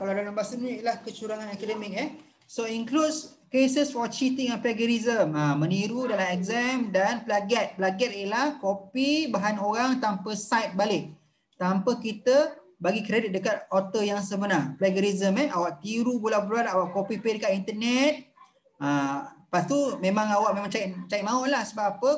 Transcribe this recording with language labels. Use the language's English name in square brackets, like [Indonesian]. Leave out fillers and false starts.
[Malay] Kalau dalam bahasa ni ialah kecurangan akademik. [English] So includes cases for cheating and plagiarism. [Malay] Meniru dalam exam dan plagiat. Plagiat ialah copy bahan orang tanpa cite balik. Tanpa kita bagi kredit dekat author yang sebenar. Plagiarism, awak tiru bulat-bulat, awak copy paste dekat internet. Lepas tu memang awak memang cari maut lah. Sebab apa?